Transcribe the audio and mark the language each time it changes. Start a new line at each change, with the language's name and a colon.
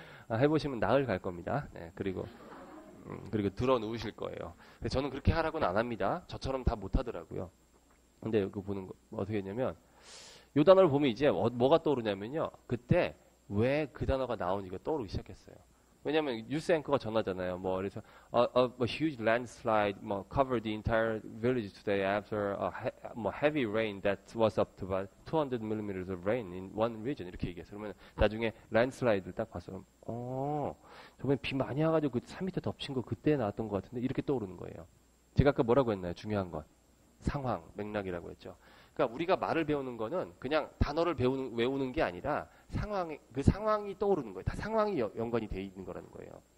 Korean: 해보시면 나을 갈 겁니다. 네, 그리고 들어 누우실 거예요. 근데 저는 그렇게 하라고는 안 합니다. 저처럼 다 못하더라고요. 근데 그 보는 거 어떻게 했냐면 요 단어를 보면 이제 뭐가 떠오르냐면요. 그때 왜 그 단어가 나오는지가 떠오르기 시작했어요. 왜냐면 뉴스 앵커가 전하잖아요. 뭐 그래서
English: a huge landslide covered the entire village today after heavy rain that was up to about 200 millimeters of rain in one region
Korean: 이렇게 얘기했어요. 그러면 나중에 landslide를 딱 봐서 저번에 비 많이 와가지고 그 3m 덮친 거 그때 나왔던 것 같은데 이렇게 떠오르는 거예요. 제가 아까 뭐라고 했나요? 중요한 건 상황, 맥락이라고 했죠. 그러니까 우리가 말을 배우는 거는 그냥 단어를 외우는 게 아니라 그 상황이 떠오르는 거예요. 다 상황이 연관이 돼 있는 거라는 거예요.